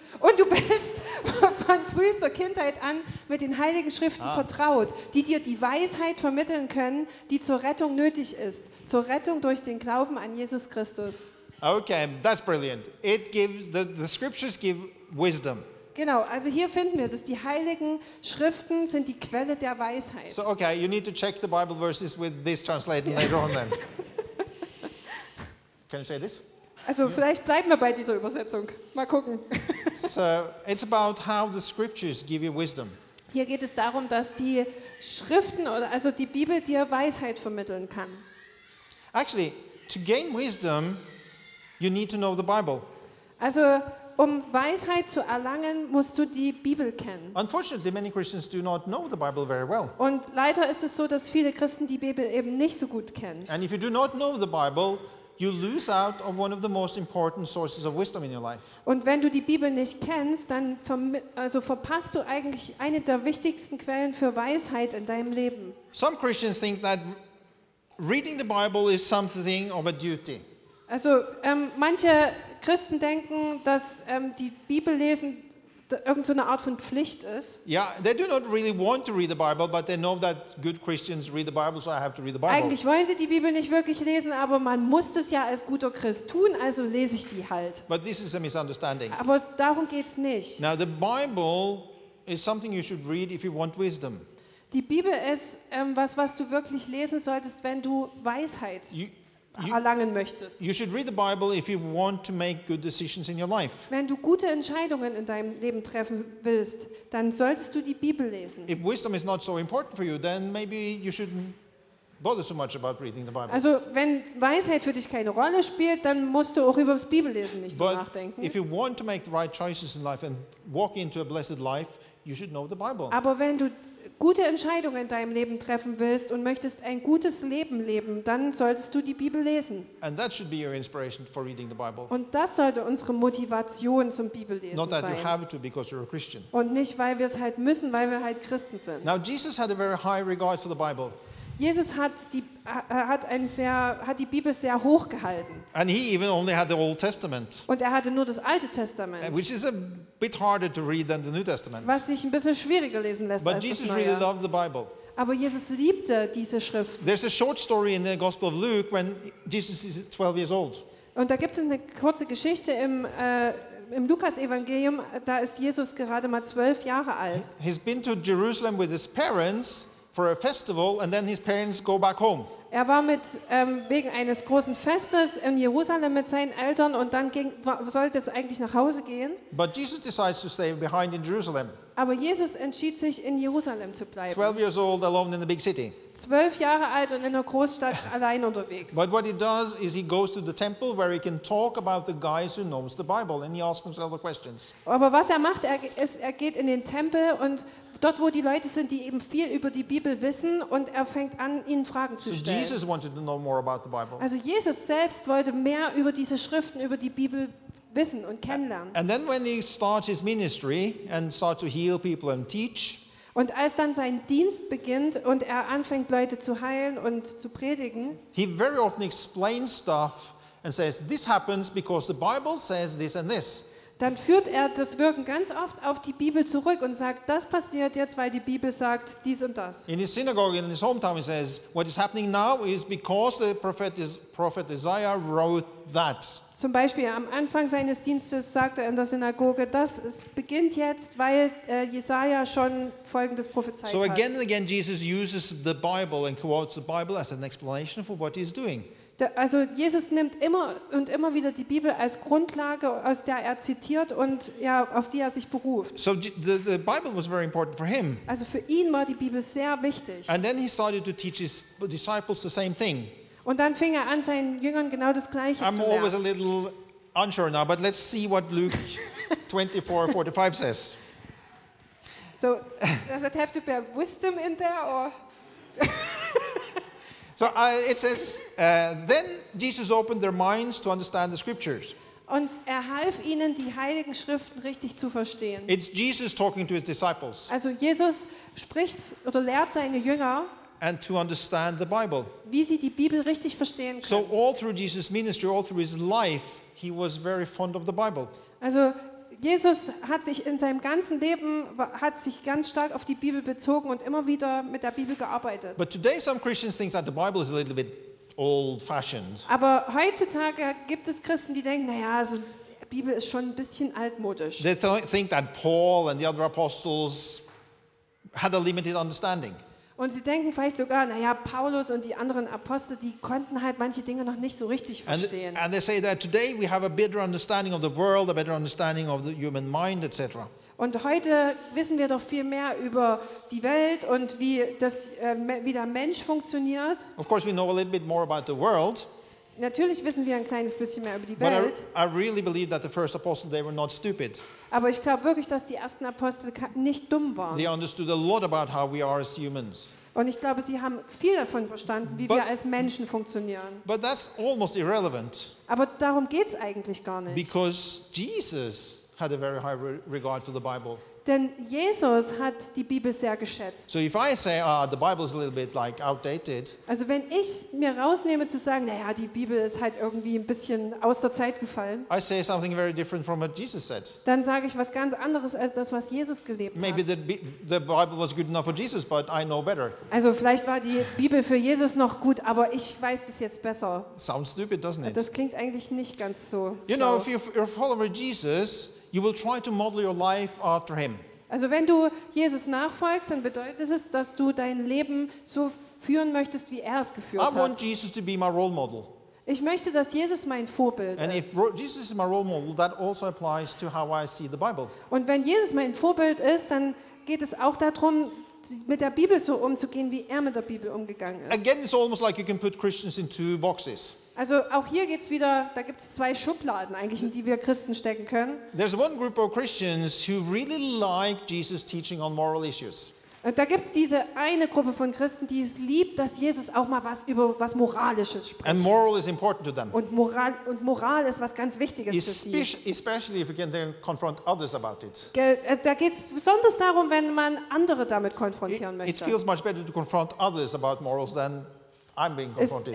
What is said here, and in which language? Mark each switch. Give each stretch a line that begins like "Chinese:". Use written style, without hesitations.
German: Und du bist von frühester Kindheit an mit den Heiligen Schriften vertraut, die dir die Weisheit vermitteln können, die zur Rettung nötig ist, zur Rettung durch den Glauben an Jesus Christus.
English: Okay, that's brilliant. It gives the scriptures give wisdom.
German: Genau, also hier finden wir, dass die Heiligen Schriften sind die Quelle der Weisheit.
English: So okay, you need to check the Bible verses with this translation later on then. Can you say this? Also yeah.
German: Vielleicht bleiben wir bei dieser Übersetzung. Mal gucken.
English: So it's about how the scriptures give you wisdom.
German: Hier geht es darum, dass die Schriften oder also die Bibel dir Weisheit vermitteln kann.
English: Actually, to gain wisdom, you need to know the Bible.
German: Also um Weisheit zu erlangen, musst du die Bibel kennen.
English: Unfortunately, many Christians do not know the Bible very well.
German: Und leider ist es so, dass viele Christen die Bibel eben nicht so gut kennen.
English: And if you do not know the Bible, you lose out of one of the most important sources of wisdom in your life.
German: Und wenn du die Bibel nicht kennst, dann verpasst du eigentlich eine der wichtigsten Quellen für Weisheit in deinem Leben.
English: Some Christians think that reading the Bible is something of a duty.
German: Also manche Christen denken, dass die Bibel lesen irgend so eine Art von Pflicht ist.
English: Yeah, they do not really want to read the Bible, but they know that good Christians read the Bible, so I have to read the Bible.
German: Eigentlich wollen sie die Bibel nicht wirklich lesen, aber man muss das ja als guter Christ tun, also lese ich die halt.
English: But this is a misunderstanding.
German: Aber darum geht's nicht.
English: Now the Bible is something you should read if you want wisdom.
German: Die Bibel ist was du wirklich lesen solltest, wenn du Weisheit erlangen möchtest.
English: You should read the Bible if you want to make good decisions in your life.
German: Wenn du gute Entscheidungen in deinem Leben treffen willst, dann solltest du die Bibel lesen.
English: If wisdom is not so important for you, then maybe you shouldn't bother so much about reading the Bible.
German: Also, wenn Weisheit für dich keine Rolle spielt, dann musst du auch über das Bibellesen nicht
English: But
German: so nachdenken.
English: If you want to make the right choices in life and walk into a blessed life, you should know the Bible.
German: Aber wenn du gute Entscheidungen in deinem Leben treffen willst und möchtest ein gutes Leben leben, dann solltest du die Bibel lesen.
English: And that should be your inspiration for reading the Bible.
German: Und das sollte unsere Motivation zum Bibellesen sein.
English: Not that you have to because you're a Christian.
German: Und nicht, weil wir es halt müssen, weil wir halt Christen sind.
English: Now Jesus had a very high regard for the Bible.
German: Jesus hat die Bibel sehr hoch gehalten.
English: And he even only had the Old Testament.
German: Und er hatte nur das Alte Testament.
English: Which is a bit harder to read than the New Testament.
German: Was sich ein bisschen schwieriger lesen lässt
English: But
German: als Jesus das Neue.
English: But Jesus really loved the Bible.
German: Aber Jesus liebte diese Schriften.
English: There's a short story in the Gospel of Luke when Jesus is 12 years old.
German: Und da gibt es eine kurze Geschichte im Lukas-Evangelium, da ist Jesus gerade mal 12 Jahre alt.
English: He's been to Jerusalem with his parents for a festival and then his parents go back home.
German: Er war mit wegen eines großen Festes in Jerusalem mit seinen Eltern und dann sollte es eigentlich nach Hause gehen.
English: But Jesus decides to stay behind in Jerusalem.
German: Aber Jesus entschied sich, in Jerusalem zu bleiben.
English: 12 years old, alone in the big city.
German: 12 Jahre alt und in einer Großstadt allein unterwegs.
English: But what he does is he goes to the temple where he can talk about the guys who knows the Bible and he asks himself the questions.
German: Aber was er macht, er geht in den Tempel und dort, wo die Leute sind, die eben viel über die Bibel wissen, und er fängt an, ihnen Fragen zu stellen.
English: So Jesus wanted to know more about the Bible.
German: Also Jesus selbst wollte mehr über diese Schriften, über die Bibel wissen und kennenlernen.
English: And then when he starts his ministry and starts to heal people and teach.
German: Und als dann sein Dienst beginnt und er anfängt, Leute zu heilen und zu predigen.
English: He very often explains stuff and says, this happens because the Bible says this and this.
German: Dann führt er das Wirken ganz oft auf die Bibel zurück und sagt, das passiert jetzt, weil die Bibel sagt dies und das.
English: In his synagogue, in his hometown, he says, what is happening now is because the prophet Isaiah wrote that.
German: Zum Beispiel am Anfang seines Dienstes sagt er in der Synagoge, das beginnt jetzt, weil Jesaja schon Folgendes prophezeit hat.
English: So again and again, Jesus uses the Bible and quotes the Bible as an explanation for what he's doing.
German: Also Jesus nimmt immer und immer wieder die Bibel als Grundlage, aus der er zitiert und ja, auf die er sich beruft.
English: So the Bible was very important for him.
German: Also für ihn war die Bibel sehr wichtig.
English: And then he started to teach his disciples the same thing.
German: Und dann fing er an, seinen Jüngern genau das Gleiche zu lernen.
English: I'm always a little unsure now, but let's see what Luke 24:45 says. So does it have to bear wisdom in there or... So it says, then Jesus opened their minds to understand the scriptures.
German: Und er half ihnen, die heiligen Schriften richtig zu verstehen.
English: It's Jesus talking to his disciples.
German: Also Jesus spricht oder lehrt seine Jünger.
English: And to understand the Bible.
German: Wie sie die Bibel richtig verstehen können.
English: So all through Jesus' ministry, all through his life, he was very fond of the Bible.
German: Also Jesus hat sich in seinem ganzen Leben hat sich ganz stark auf die Bibel bezogen und immer wieder mit der Bibel gearbeitet.
English: But today some Christians think that the Bible is a little bit old-fashioned.
German: Aber heutzutage gibt es Christen, die denken, naja, also die Bibel ist schon ein bisschen altmodisch.
English: They think that Paul and the other apostles had a limited understanding.
German: Und sie denken vielleicht sogar, naja, Paulus und die anderen Apostel, die konnten halt manche Dinge noch nicht so richtig verstehen.
English: And they say that today we have a better understanding of the world, a better understanding of the human mind, etc.
German: Und heute wissen wir doch viel mehr über die Welt und wie das wie der Mensch funktioniert.
English: Of course we know a little bit more about the world.
German: Natürlich wissen wir ein kleines bisschen mehr über die Welt.
English: I really believe that the first apostles, they were not stupid.
German: Aber ich glaube wirklich, dass die ersten Apostel nicht dumm waren.
English: They understood a lot about how we are as humans.
German: Und ich glaube, sie haben viel davon verstanden, wie wir als Menschen funktionieren.
English: But that's almost irrelevant.
German: Aber darum geht's eigentlich gar nicht.
English: Because Jesus had a very high regard for the Bible.
German: Denn Jesus hat die Bibel sehr geschätzt.
English: So if I say, the Bible is a little bit like outdated.
German: Also wenn ich mir rausnehme zu sagen, naja, die Bibel ist halt irgendwie ein bisschen aus der Zeit gefallen.
English: I say something very different from what Jesus said.
German: Dann sage ich was ganz anderes als das, was Jesus gelebt
English: Maybe
German: hat.
English: Maybe the Bible was good enough for Jesus, but I know better.
German: Also vielleicht war die Bibel für Jesus noch gut, aber ich weiß das jetzt besser.
English: Sounds stupid, doesn't it?
German: Das klingt eigentlich nicht ganz so.
English: You know, if you're a follower of Jesus. You will try to model your life after him.
German: Also wenn du Jesus nachfolgst, dann bedeutet es, dass du dein Leben so führen möchtest, wie er es geführt hat.
English: I want Jesus to be my role model.
German: Ich möchte, dass Jesus mein Vorbild
English: and
German: ist.
English: And if Jesus is my role model, that also applies to how I see the Bible.
German: Und wenn Jesus mein Vorbild ist, dann geht es auch darum, mit der Bibel so umzugehen, wie er mit der Bibel umgegangen ist.
English: Again, it's almost like you can put Christians in two boxes.
German: Also auch hier geht's wieder, da gibt's zwei Schubladen eigentlich, in die wir Christen stecken können.
English: There's one group of Christians who really like Jesus teaching on moral issues.
German: Da gibt's diese eine Gruppe von Christen, die es liebt, dass Jesus auch mal was über was Moralisches spricht.
English: And moral is important to them.
German: Und Moral ist was ganz Wichtiges für sie.
English: Especially if you can then confront others about it.
German: Da geht's besonders darum, wenn man andere damit konfrontieren möchte.
English: It feels much better to confront others about morals than I'm being confronted.